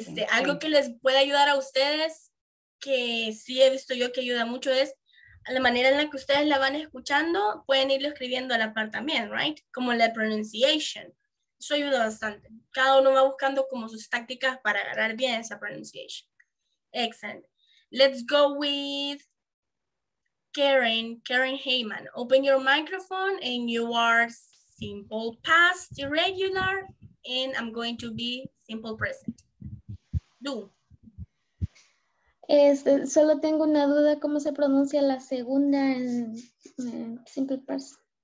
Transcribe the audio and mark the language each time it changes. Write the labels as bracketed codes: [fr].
[es] Algo que les puede ayudar a ustedes, que sí he visto yo que ayuda mucho, es la manera en la que ustedes la van escuchando, pueden irlo escribiendo a la par también, right? Como la pronunciation. Eso ayuda bastante. Cada uno va buscando como sus tácticas para agarrar bien esa pronunciation. [en] Excellent. Let's go with Karen Heyman. Open your microphone and you are simple past irregular, and I'm going to be simple present. Do. [es] Este, solo tengo una duda, ¿cómo se pronuncia la segunda en simple past?